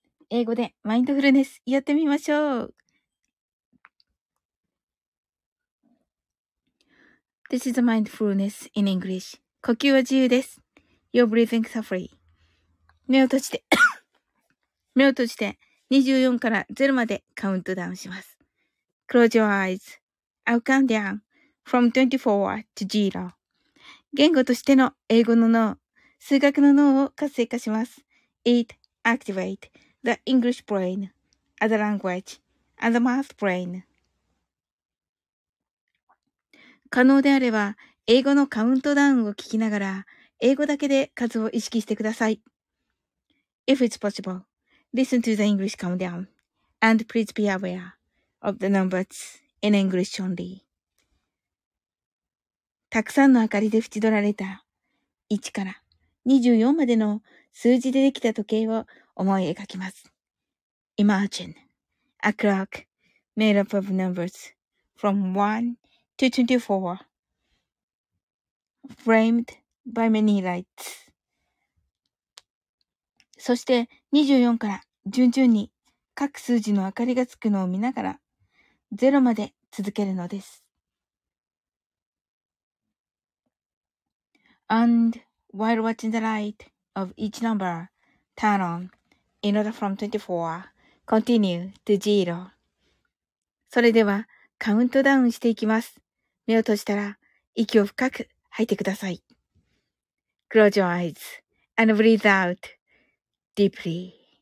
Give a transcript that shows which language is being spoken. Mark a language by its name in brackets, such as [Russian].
[Japanese] 英語でマインドフルネスやってみましょう。 [English] This is mindfulness in English. [Japanese] 呼吸は自由です。 [English] You're breathing free. [Japanese] 目を閉じて、目を閉じて24から0までカウントダウンします。 [English] Close your eyes. I'll count down from 24 to 0. [Japanese] 言語としての英語の脳、数学の脳を活性化します。 [English] It activates the English brain as a language and the math brain. [Japanese] 可能であれば、英語のカウントダウンを聞きながら、英語だけで数を意識してください。 [English] If it's possible, listen to the English countdown and please be aware of the numbers in English only. [Japanese] たくさんの明かりで縁取られた1から24までの数字でできた時計を思い描きます。 [English] Imagine a clock made up of numbers from 1 to 24, framed by many lights. [Japanese] そして24から順々に各数字の明かりがつくのを見ながら0まで続けるのです。 [English] AndWhile watching the light of each number turn on in order from 24, continue to zero. [Japanese] それではカウントダウンしていきます。目を閉じたら息を深く吐いてください。 [English] Close your eyes and breathe out deeply.